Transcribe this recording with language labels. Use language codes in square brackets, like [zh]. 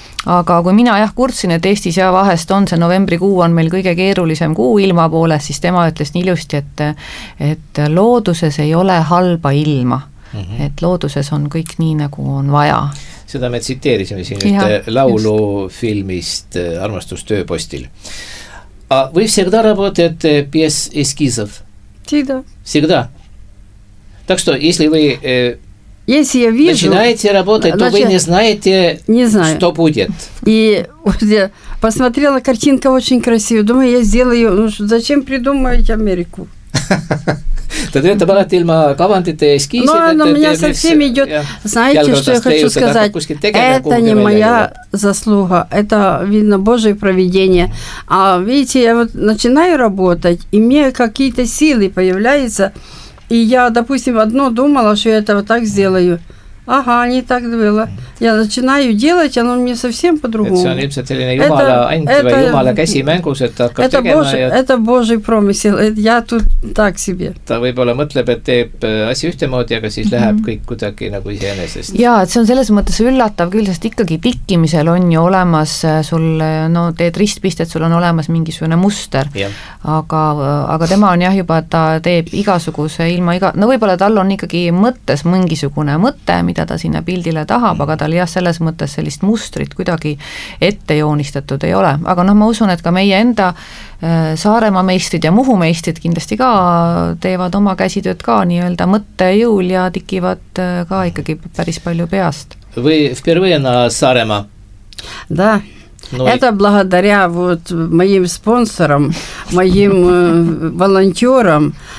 [et] Aga kui mina jah kurtsin, et Eestis ja vahest on see novembrikuu on meil kõige keerulisem kuu ilma poolest, siis tema ütles nii ilusti, et looduses ei ole halba ilma, mm-hmm. et looduses on kõik nii nagu on vaja. Seda me tsiteerisime siin ja, laulu just. Filmist Armastus tööpostil. [ru] A vy всегда работаете без эскизов? Всегда. Всегда. Так что, если вы Если я вижу, начинаете работать, значит, то вы не знаете, не знаю. Что будет. И вот я посмотрела, картинка очень красивая. Думаю, я сделаю, ну зачем придумывать Америку? Ты это была тельма кавантите эскизы. Но у меня совсем идет, знаете, что я хочу сказать, это не моя заслуга, это видно Божье провидение. А видите, я вот начинаю работать, и мне какие-то силы появляются. И я, допустим, одно думала, что я это вот так сделаю. Ага, не так было. Я начинаю делать, оно мне совсем по-другому. [et] Это ilmselt selline Jumala ant või Jumala käsi mängus, et hakkab tegema. [ru] Это Божий промысел. Я тут так себе. [et] Ta võib-olla mõtleb, et teeb asja ühtemoodi, aga siis läheb kõik kuidagi nagu iseenesest. Jaa, et see on selles mõttes üllatav küll, sest ikkagi tikkimisel on ju olemas sul, no teed ristpistet, sul on olemas mingisugune muster. Aga tema on jah juba, ta teeb igasuguse ilma iga... No võib-olla tal on ikkagi mõttes mingisugune mõte, mida ta sinna pildile tahab, aga tal jah selles mõttes sellist mustrit kuidagi ette joonistatud ei ole. Aga noh, ma usun, et ka meie enda Saarema meistrid ja Muhu meistrid kindlasti ka teevad oma käsitööd ka nii-öelda mõtte jõul ja tikivad ka ikkagi päris palju peast. Või впервыена Saarema? [ru] Да. Это благодаря вот моим спонсорам, моим волонтерам.